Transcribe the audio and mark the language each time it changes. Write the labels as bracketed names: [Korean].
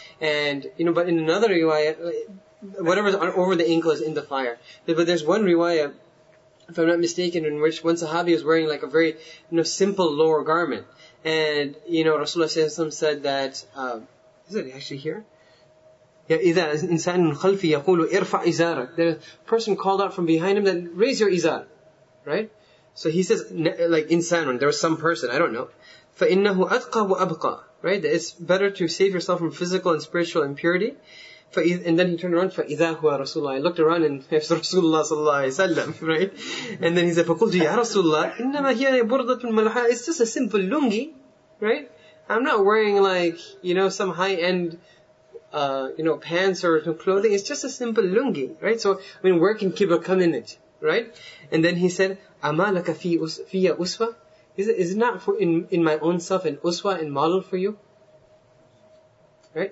[English] And, you know, but in another riwayah, whatever is over the ankle is in the fire. But there's one riwayah, if I'm not mistaken, in which one sahabi was wearing like a very, you know, simple lower garment. And, you know, Rasulullah said that, is it actually here? [Arabic] Yeah, إِذَا إِنسَانٌ خَلْفِي يَقُولُ إِرْفَعْ إِزَارَكَ. [English] The person called out from behind him that, raise your izar. Right? So he says, like, إِنسَانٌ, there was some person, I don't know. [Arabic] فَإِنَّهُ أَتْقَى وَأَبْقَى. Right? [English] That it's better to save yourself from physical and spiritual impurity. And then he turned around, [Arabic] فَإِذَا هُوَ رَسُولُ اللَّهِ. [English] I looked around and it's Rasulullah sallallahu alayhi wa sallam. Right? And then he said, [Arabic] فَقُلْتُ يَا رَسُولُ اللَّهِ إِنَّمَا هِيَ بُرْضَةٌ مَلْحَى. [English] It's just a simple lungi. Right? I'm not wearing, like, you know, some high-end, you know, pants or clothing. It's just a simple lungi, right? So, I mean, where can kibar come in it, right? And then he said, [Arabic] أَمَا لَكَ فِيَ [English] uswa. Is it not for in my own self an uswa and model for you? Right?